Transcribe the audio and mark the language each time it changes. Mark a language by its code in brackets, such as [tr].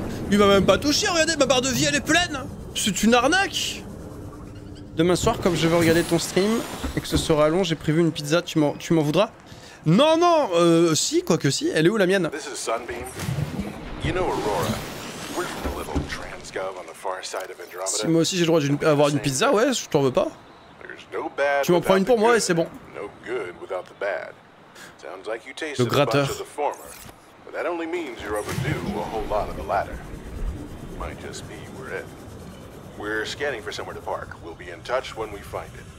[fr] Il m'a même pas touché, regardez, ma barre de vie elle est pleine. C'est une arnaque. Demain soir, comme je veux regarder ton stream et que ce sera long, j'ai prévu une pizza, tu m'en voudras? Non, non, si, quoi que si, elle est où la mienne? [en] This is Sunbeam. You know Aurora. We're from the little transgov on the far side of Andromeda. [fr] Si moi aussi j'ai le droit d'avoir une pizza, ouais, je t'en veux pas. Tu m'en prends une pour moi et c'est bon. [en] No good without the bad. Sounds like you tasted a bunch of the former. But that only means you're overdue a whole lot of the latter. Might just be we're in. We're scanning for somewhere to park. We'll be in touch when we find it.